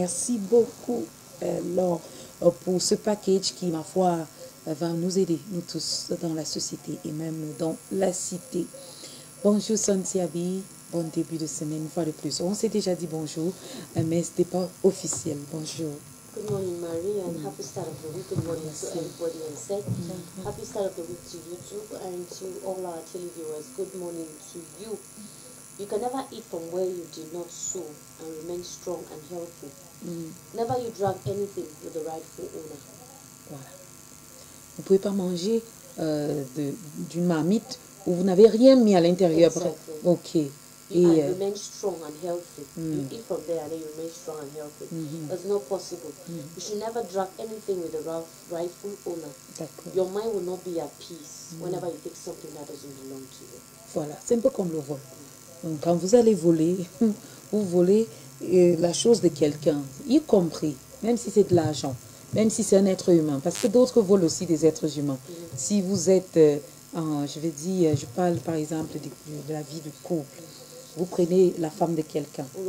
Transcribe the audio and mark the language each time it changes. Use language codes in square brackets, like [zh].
[fr] Merci beaucoup, Laure, pour ce package qui, ma foi, va nous aider, nous tous, dans la société et même dans la cité. Bonjour, Santiabi. Bon début de semaine, une fois de plus. On s'est déjà dit bonjour, mais ce n'était pas officiel. Bonjour. [en] Good morning, Marie, and happy start of the week. Good morning to everybody on set. Happy start of the week to you too, and to all our televiewers. Good morning to you. You can never eat from where you did not sow and remain strong and healthy. Never you drag anything with the rightful owner. [fr] Voilà. Vous ne pouvez pas manger d'une marmite où vous n'avez rien mis à l'intérieur. [en] Exactly. Ok. And remain strong and healthy. You eat from there and then you remain strong and healthy. That's not possible. You should never drag anything with the rightful owner. [fr] D'accord. [en] Your mind will not be at peace whenever you take something that doesn't belong to you. [fr] Voilà, c'est un peu comme le vol. Donc quand vous allez voler, vous volez la chose de quelqu'un, y compris, même si c'est de l'argent, même si c'est un être humain, parce que d'autres volent aussi des êtres humains. Si vous êtes, je parle par exemple de la vie de couple, vous prenez la femme de quelqu'un